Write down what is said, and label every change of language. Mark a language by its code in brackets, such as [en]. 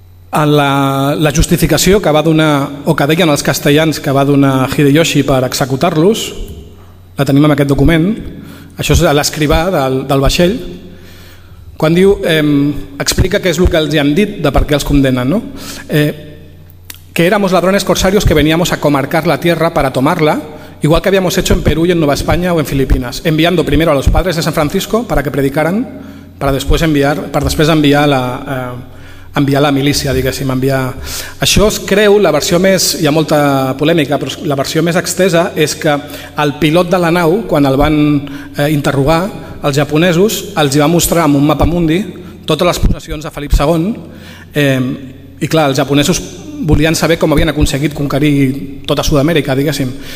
[ca] La justificació que va donar, o que deien els castellans que va donar Hideyoshi per executar-los, la tenim en aquest document. Això és l'escrivà del vaixell, quan diu, explica què és el que els han dit de per què els condenen, no? [es] Que éramos ladrones corsarios que veníamos a comarcar la tierra para tomarla, igual que habíamos hecho en Perú y en Nueva España o en Filipinas, enviando primero a los padres de San Francisco para que predicaran, para después enviar la milícia, [ca] diguéssim, enviar... Això es creu, la versió més... Hi ha molta polèmica, però la versió més extesa és que el pilot de la nau, quan el van interrogar els japonesos, els va mostrar amb un mapa mundi totes les possessions de Felip II, i clar, els japonesos volien saber com havien aconseguit conquerir tota Sud-amèrica, diguéssim.